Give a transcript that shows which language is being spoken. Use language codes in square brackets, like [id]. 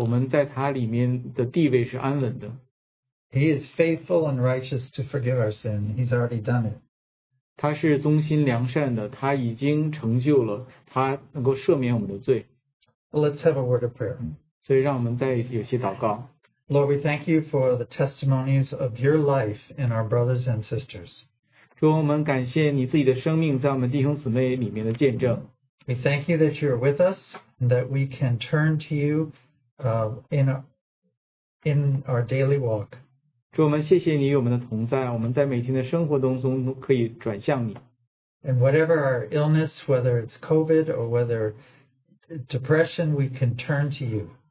[zh] 他的宝血是完全的，我们在他里面的地位是安稳的。 [en] He is faithful and righteous to forgive our sin. He's already done it. [zh] 他是忠心良善的，他已经成就了，他能够赦免我们的罪。 [en] Let's have a word of prayer. [zh] 所以让我们再有些祷告。Lord, [en] we thank you for the testimonies of your life in our brothers and sisters. [zh] 主，我们感谢你自己的生命在我们弟兄姊妹里面的见证。 [en] We thank you that you're with us and that we can turn to you in our daily walk. [zh] 主，我们谢谢你与我们的同在，我们在每天的生活当中可以转向你。 [en] And whatever our illness, whether it's COVID or whether depression, we can turn to you.